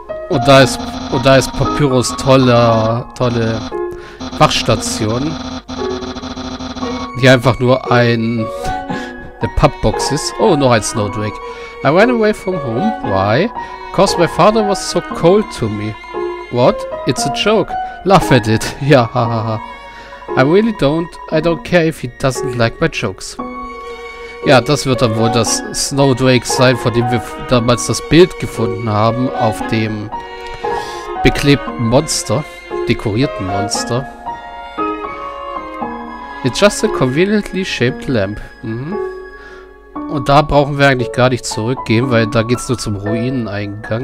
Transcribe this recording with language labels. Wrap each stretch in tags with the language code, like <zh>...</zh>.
<de>Und da ist Papyrus tolle Wachstation, die einfach nur eine Pappbox ist. Oh, noch ein Snowdrake.</de> <en>I ran away from home. Why? Because my father was so cold to me. What? It's a joke. Laugh at it.</en> <de>Ja, hahaha.</de> <en>I don't care if he doesn't like my jokes.</en> <de>Ja, das wird dann wohl das Snowdrake sein, von dem wir damals das Bild gefunden haben, auf dem beklebten Monster, dekorierten Monster.</de> <en>It's just a conveniently shaped lamp.</en> <de>Mhm. Und da brauchen wir eigentlich gar nicht zurückgehen, weil da geht es nur zum Ruineneingang.</de>